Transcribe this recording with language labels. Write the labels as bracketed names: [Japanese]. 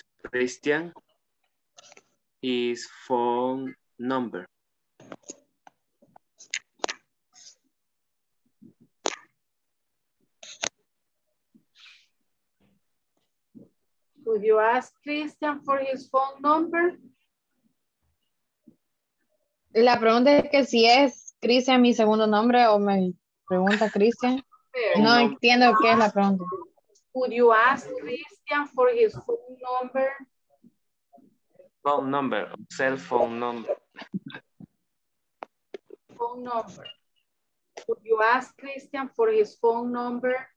[English] Christian his phone number? Would you ask Christian for his phone number? [Spanish] La pregunta es que si es Christian mi segundo nombre o me pregunta Christian. No entiendo qué es la pregunta. [English] Would you ask Christian for his phone number? Phone number, cell phone number. Phone number. Would you ask Christian for his phone number?